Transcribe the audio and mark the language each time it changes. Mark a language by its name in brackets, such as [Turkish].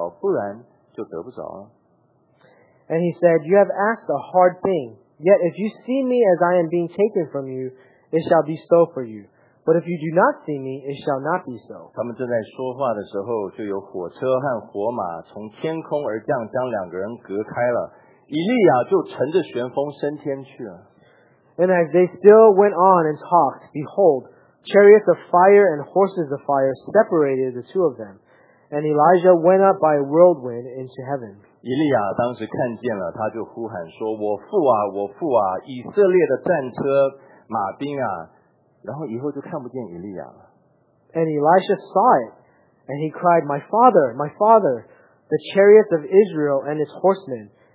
[Chinese] 以利亚就说,你所求的很难啊,但是虽然如此,我被接去离开你的时候,你若看见我就必得着,不然就得不着。 [English] And he said, you have asked a hard thing, yet if you see me as I am being taken from you, it shall be so for you. But if you do not see me, it shall not be so. [Chinese] 他们正在说话的时候,就有火车和火马从天空而降,将两个人隔开了。以利亚就乘着旋风升天去了。 [English] And as they still went on and talked, behold, chariots of fire and horses of fire separated the two of them, and Elijah went up by a whirlwind into heaven. [Chinese] 以利亚当时看见了，他就呼喊说：“我父啊，我父啊，以色列的战车、马兵啊！”然后以后就看不见以利亚了。 [English] And Elisha saw it, and he cried, "My father, my father, the chariots of Israel and its horsemen!"